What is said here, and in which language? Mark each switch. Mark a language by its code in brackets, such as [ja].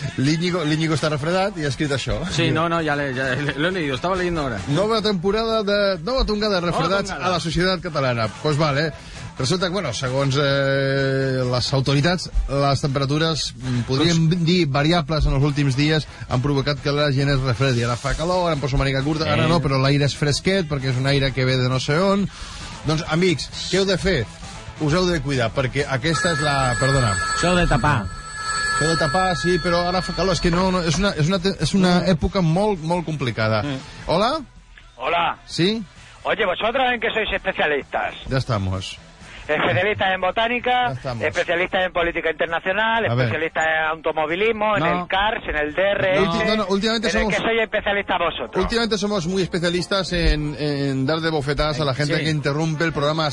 [ca] L'Íñigo està refredat i ha escrit això. [es] Sí, no, [ca] ja l'he [es] leído, estaba leyendo ahora. [ca] Nova temporada de... Nova tongada de refredats a la societat catalana. [es] Pues vale. [ca] Resulta que, bueno, segons les autoritats, les temperatures, podríem dir, variables en els últims dies, han provocat que la gent es refredi. Ara fa calor, ara em poso manica curta, ara no, però l'aire és fresquet, perquè és un aire que ve de no sé on... Doncs, amics, què heu de fer? Us heu de cuidar, perquè aquesta és la... Perdona. Això heu de tapar. Això heu de tapar, sí, però ara fa calor. És que no és una època molt, molt complicada. Hola? Hola. Sí? [es] Oye, vosotros en qué sois especialistas? Ya estamos. Especialistas en botánica, especialistas en política internacional, especialistas en automovilismo, en el CARS, en el DRS... Últimamente somos... ¿En qué soy especialista vosotros? Últimamente somos muy especialistas en dar de bofetadas a la gente que interrumpe el programa...